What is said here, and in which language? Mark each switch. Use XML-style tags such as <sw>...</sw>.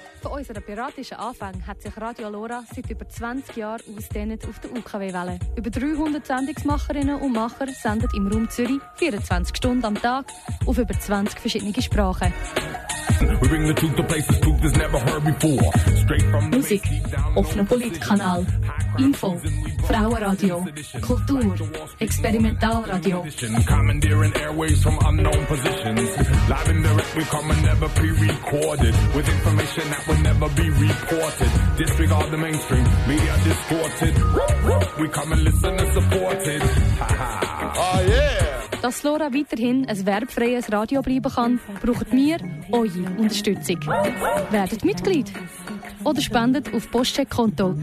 <de>unserer piratischen Anfänge hat sich Radio Alora seit über 20 Jahren ausdehnt auf der UKW-Welle. Über 300 Sendungsmacherinnen und Macher senden im Raum Zürich 24 Stunden am Tag auf über 20 verschiedene Sprachen.</de> <en>We bring the truth to places truth has never heard before. Straight from the</en> <de>Musik, offener Politkanal, Info, Frauenradio, Kultur, Experimentalradio.</de> <en>Commandeering airways from unknown positions. Live and direct, we come and never be recorded. With information that will never be reported. Disregard the mainstream, media distorted. We come and listen and support it. Ha ha. Oh yeah!</en> <de>Dass Lora weiterhin ein werbfreies Radio bleiben kann, braucht wir eure Unterstützung. Werdet Mitglied oder spendet auf Postcheckkonto.</de>